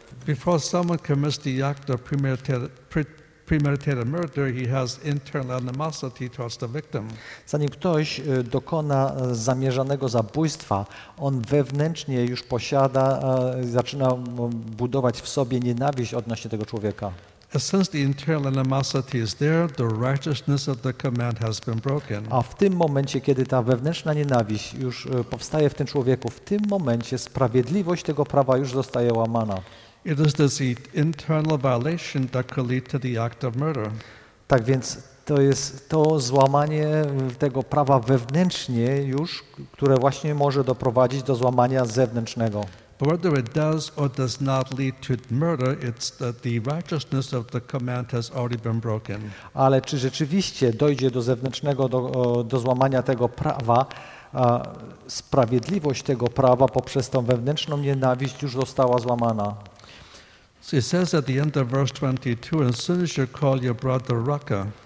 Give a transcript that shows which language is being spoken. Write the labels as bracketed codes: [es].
[en] Before someone commits the act of premeditated murder, he has internal animosity towards the victim. [pl] Zanim ktoś dokona zamierzonego zabójstwa, on wewnętrznie już posiada, zaczyna budować w sobie nienawiść odnośnie tego człowieka. [en] Since the internal animosity is there, the righteousness of the command has been broken. [pl] A w tym momencie, kiedy ta wewnętrzna nienawiść już powstaje w tym człowieku, w tym momencie sprawiedliwość tego prawa już zostaje łamana. [en] It is this internal violation that could lead to the act of murder. [pl] Tak więc to jest to złamanie tego prawa wewnętrznie już, które właśnie może doprowadzić do złamania zewnętrznego. [en] But whether it does or does not lead to murder, it's that the righteousness of the command has already been broken. [pl] Ale czy rzeczywiście dojdzie do zewnętrznego do złamania tego prawa, sprawiedliwość tego prawa poprzez tą wewnętrzną nienawiść już została złamana. [en] So it says at the end of verse 22, as soon as you call your brother Raka.